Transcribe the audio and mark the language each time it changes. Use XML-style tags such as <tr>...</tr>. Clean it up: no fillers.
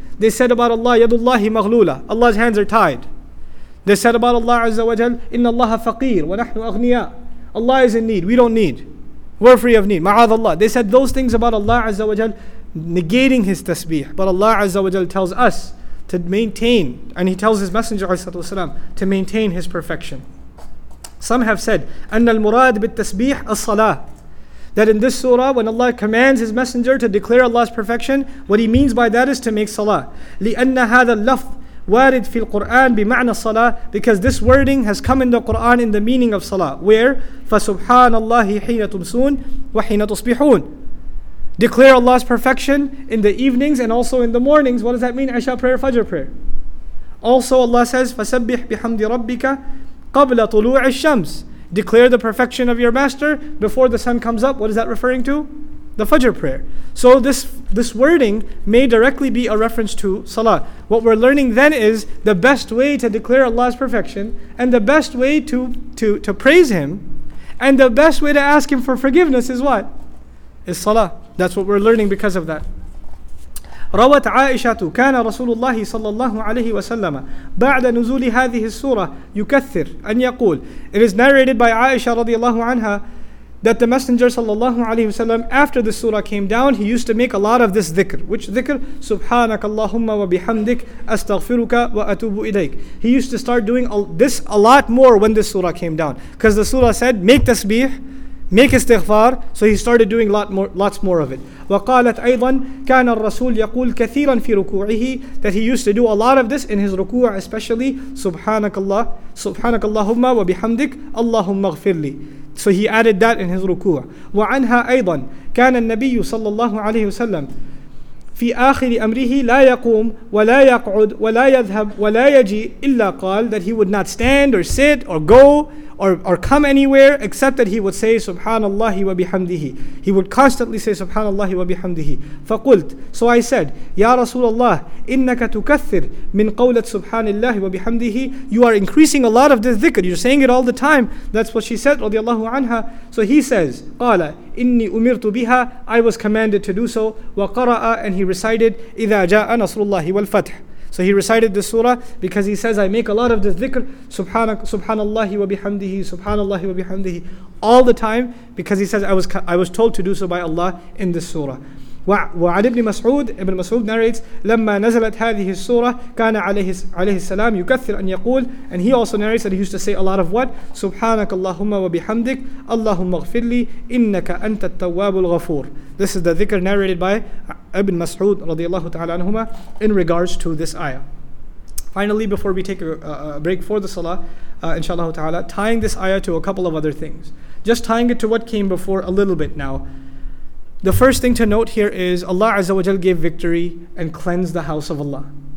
<en>They said about Allah,</en> <ar>يَدُ اللَّهِ مَغْلُولَةٌ.</ar> <en>Allah's hands are tied. They said about Allah Azza wa Jal,</en> <ar>إِنَّ اللَّهَ فَقِيرٌ وَنَحْنُ أَغْنِيَاءٌ.</ar> <en>Allah is in need, we don't need. We're free of need.</en> <ar>مَعَاذَ اللَّهِ.</ar> <en>They said those things about Allah Azza wa Jal, negating His tasbih. But Allah Azza wa Jal tells us to maintain, and He tells His Messenger والسلام, to maintain His perfection. Some have said,</en> <ar>أَنَّ الْمُرَادِ بِالتَّسْبِيحِ الصَّلَاةِ.</ar> <en>That in this surah, when Allah commands His Messenger to declare Allah's perfection, what He means by that is to make salah.</en> <ar>لِأَنَّ هَذَا اللَّفْظ وارد في القرآن بمعنى الصلاة.</ar> <en>Because this wording has come in the Quran in the meaning of salah. Where?</en> <ar>فسبحان الله حين تمسون وحين تصبحون.</ar> <en>Declare Allah's perfection in the evenings and also in the mornings. What does that mean? Isha prayer, Fajr prayer. Also Allah says,</en> <ar>فسبح بحمد ربك قبل طلوع الشمس.</ar> <en>Declare the perfection of your master before the sun comes up. What is that referring to? The Fajr prayer. So this wording may directly be a reference to salah. What we're learning then is the best way to declare Allah's perfection, and the best way to praise Him, and the best way to ask Him for forgiveness is what? Is salah. That's what we're learning because of that.</en> <ar>روت عائشة كان رسول الله صلى الله عليه وسلم بعد نزول هذه السورة يكثر أن يقول.</ar> <en>It is narrated by Aisha radiallahu anha that the Messenger</en> <ar>صلى الله عليه وسلم,</ar> <en>after the surah came down, he used to make a lot of this dhikr. Which dhikr?</en> <ar>سبحانك اللهم وبحمدك أستغفرك وأتوب إليك.</ar> <en>He used to start doing this a lot more when this surah came down, because the surah said make tasbih, make istighfar, so he started doing lots more of it.</en> <ar>وقالت أيضا كان الرسول يقول كثيرا في ركوعه,</ar> <en>that he used to do a lot of this in his</en> <ar>ركوع, especially سبحانك اللهم وبحمدك اللهم اغفر لي.</ar> <en>So he added that in his ركوع.</en> <ar>وعنها أيضا كان النبي صلى الله عليه وسلم في آخر أمره لا يقوم ولا يقعد ولا يذهب ولا يجي إلا قال,</ar> <en>that he would not stand or sit or go or come anywhere except that he would say Subhanallah wa bihamdihi. He would constantly say Subhanallah wa bihamdihi.</en> <ar>فقلت,</ar> <en>so I said,</en> <ar>يا رسول الله إنك تكثر من قولة سبحان الله وبحمده.</ar> <en>You are increasing a lot of this dhikr, you're saying it all the time. That's what she said</en> <ar>رضي الله عنها.</ar> <en>So he says,</en> <ar>قال إني أمرت بها,</ar> <en>I was commanded to do so.</en> <ar>وقرأ,</ar> <en>and he recited</en> <ar>إذا جاء نصر الله والفتح.</ar> <en>So he recited this surah because he says, I make a lot of this dhikr, subhanallahi wa bihamdihi, subhanallahi wa bihamdihi, all the time, because he says, I was told to do so by Allah in this surah.</en> <ar>وعن ابن مسعود, ابن مسعود narrates, لما نزلت هذه السورة كان عليه السلام يكثر أن يقول,</ar> <en>and he also narrates that he used to say a lot of what?</en> <ar>سبحانك اللهم وبحمدك اللهم اغفر لي إنك أنت التواب الغفور.</ar> <en>This is the dhikr narrated by ابن مسعود</en> <ar>رضي الله تعالى عنهما</ar> <en>in regards to this ayah. Finally, before we take a break for the salah, inshallah ta'ala, tying this ayah to a couple of other things. Just tying it to what came before a little bit now. The first thing to note here is Allah Azza wa Jal gave victory and cleansed the house of Allah.</en>